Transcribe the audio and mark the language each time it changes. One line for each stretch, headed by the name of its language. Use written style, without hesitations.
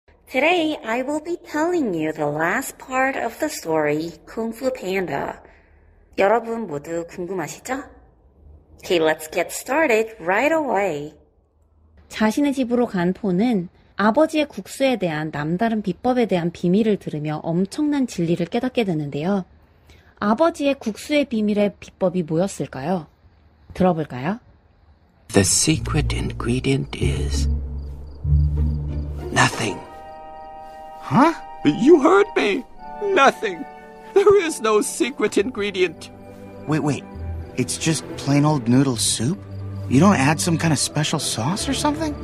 English: Today, I will be telling you the last part of the story, Kung Fu Panda.
Korean: 여러분 모두 궁금하시죠?
English: Okay, let's get started right away.
Korean: 자신의 집으로 간 폰은 아버지의 국수에 대한 남다른 비법에 대한 비밀을 들으며 엄청난 진리를 깨닫게 되는데요. 아버지의 국수의 비밀의 비법이 뭐였을까요? 들어볼까요?
English: The secret ingredient is nothing. Huh? You heard me. Nothing. There is no secret ingredient. Wait, wait. It's just plain old noodle soup? You don't add some kind of special sauce or something?